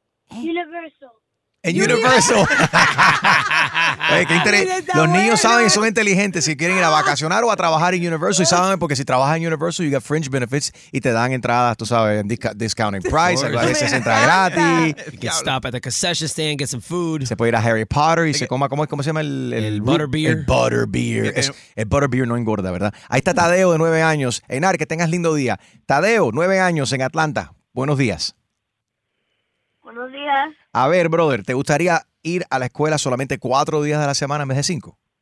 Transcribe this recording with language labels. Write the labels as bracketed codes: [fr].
[en] Universal. [es] Oye, qué interés. Los niños saben y son inteligentes. Si quieren ir a vacacionar o a trabajar en Universal, y saben, porque si trabajas en Universal, [en] you get fringe benefits [es] y te dan entradas, tú sabes, en [en] discounting price, [es] a veces entra gratis. [en] You can stop at the concession stand, get some food. [es] Se puede ir a Harry Potter y se coma, ¿cómo se llama? El [en] Butterbeer. [es] El Butterbeer no engorda, ¿verdad? Ahí está Tadeo de 9 años. Einar, que tengas lindo día. Tadeo, 9 años en Atlanta. Buenos días. Buenos días. A ver, brother, ¿te gustaría ir a la escuela solamente 4 días de la semana en vez de 5?